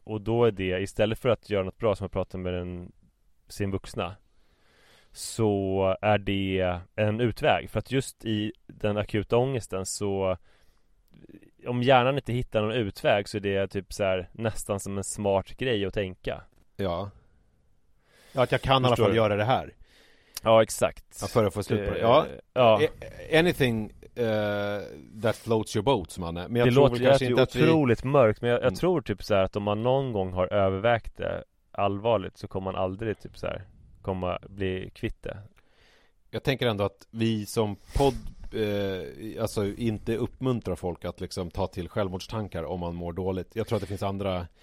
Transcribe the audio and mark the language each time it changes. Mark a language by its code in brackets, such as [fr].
[sv] Och då är det, istället för att göra något bra som att prata med sin vuxna, så är det en utväg. För att just i den akuta ångesten, så om hjärnan inte hittar någon utväg, så är det typ så här, nästan som en smart grej att tänka. Ja, ja, att jag kan i alla fall göra det här. Ja, exakt. Ja, för att få slut på det. Ja. Ja. [en] Anything that floats your boat, man. [sv] Men jag mörkt, men jag tror typ så här att om man någon gång har övervägt det allvarligt, så kommer man aldrig typ så här komma bli kvitt det. Jag tänker ändå att vi som podd alltså inte uppmuntrar folk att liksom ta till självmordstankar om man mår dåligt. Jag tror att det finns andra.